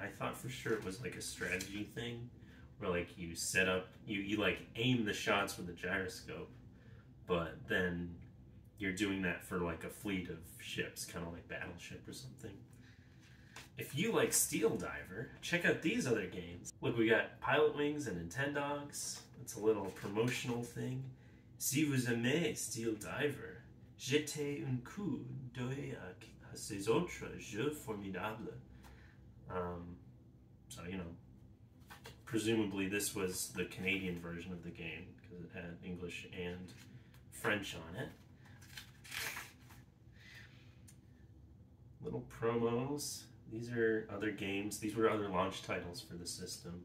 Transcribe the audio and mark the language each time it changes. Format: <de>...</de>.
<en>I thought for sure it was like a strategy thing where like you set up, you like aim the shots with the gyroscope, but then you're doing that for like a fleet of ships, kind of like Battleship or something. If you like Steel Diver, check out these other games. Look, we got Pilot Wings and Nintendogs. It's a little promotional thing.</en> <fr>Si vous aimez Steel Diver, jetez un coup d'œil à ces autres jeux formidables.</fr> <en>So, you know, presumably this was the Canadian version of the game because it had English and French on it. Little promos. These are other games. These were other launch titles for the system.</en>